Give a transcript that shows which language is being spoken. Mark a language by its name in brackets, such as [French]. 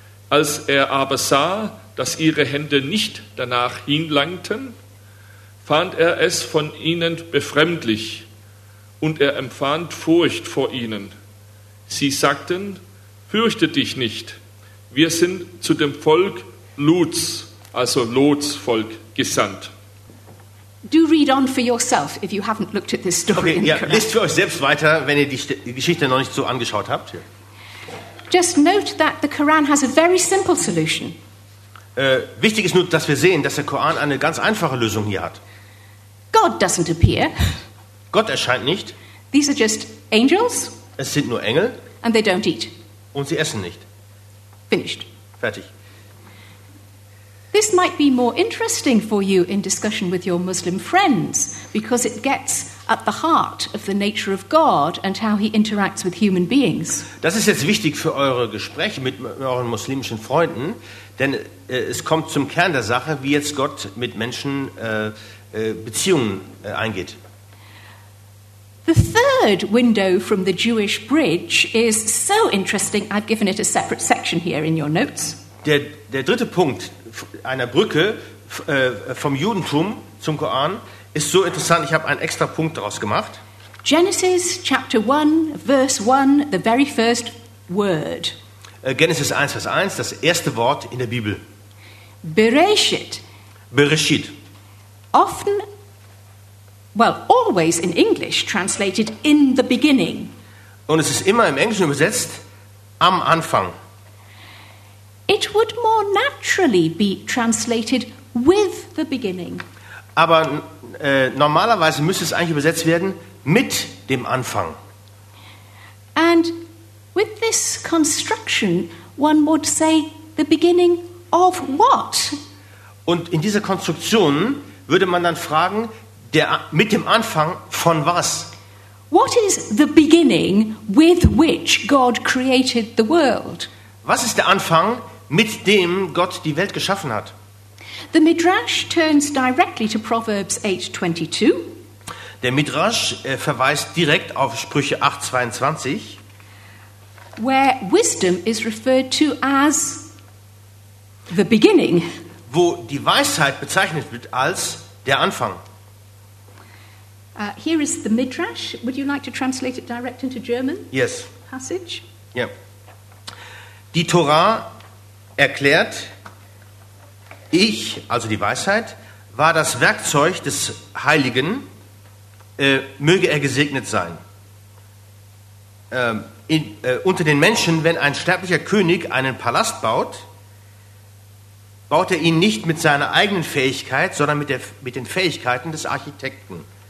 [German] Als er aber sah, dass ihre Hände nicht danach hinlangten, fand er es von ihnen befremdlich und er empfand Furcht vor ihnen. Sie sagten: Fürchte dich nicht, wir sind zu dem Volk Luts, also Lots Volk, gesandt. [English] Do read on for yourself if you haven't looked at this story. [German] Okay, ja, lest für euch selbst weiter, wenn ihr die Geschichte noch nicht so angeschaut habt. [English] Just note that the Quran has a very simple solution. [German] Wichtig ist nur, dass wir sehen, dass der Koran eine ganz einfache Lösung hier hat. [English] God doesn't appear. [German] Gott erscheint nicht. [English] These are just angels. [German] Es sind nur Engel. [English] And they don't eat. [German] Und sie essen nicht. [English] Finished. [German] Fertig. [English] This might be more interesting for you in discussion with your Muslim friends, because it gets at the heart of the nature of God and how he interacts with human beings. [German] Das ist jetzt wichtig für eure Gespräche mit euren muslimischen Freunden, denn es kommt zum Kern der Sache, wie jetzt Gott mit Menschen Beziehungen eingeht. [English] The third window from the Jewish bridge is so interesting, I've given it a separate section here in your notes. [German] Der dritte Punkt einer Brücke vom Judentum zum Koran ist so interessant, ich habe einen extra Punkt daraus gemacht. [English] Genesis chapter 1, verse 1, the very first word. [German] Genesis 1, Vers 1, das erste Wort in der Bibel. [Hebrew] Bereshit. Bereshit. [English] Often, well, always in English translated in the beginning. [German] Und es ist immer im Englischen übersetzt, am Anfang. [English] It would more naturally be translated with the beginning. [German] Aber normalerweise müsste es eigentlich übersetzt werden mit dem Anfang. [English] And with this construction, one would say the beginning of what? [German] Und in dieser Konstruktion würde man dann fragen, mit dem Anfang von was? [English] What is the beginning with which God created the world? [German] Was ist der Anfang, mit dem Gott die Welt geschaffen hat? [English] The Midrash turns directly to Proverbs 8:22. [German] Der Midrash verweist direkt auf Sprüche 8:22. [English] Where wisdom is referred to as the beginning. [German] Wo die Weisheit bezeichnet wird als der Anfang. [English] Here is the Midrash. Would you like to translate it direct into German? Yes. Passage? Yeah. [German] Die Torah erklärt, ich, also die Weisheit, war das Werkzeug des Heiligen, möge er gesegnet sein. Unter den Menschen, wenn ein sterblicher König einen Palast baut, baut er ihn nicht mit seiner eigenen Fähigkeit, sondern mit den Fähigkeiten des Architekten.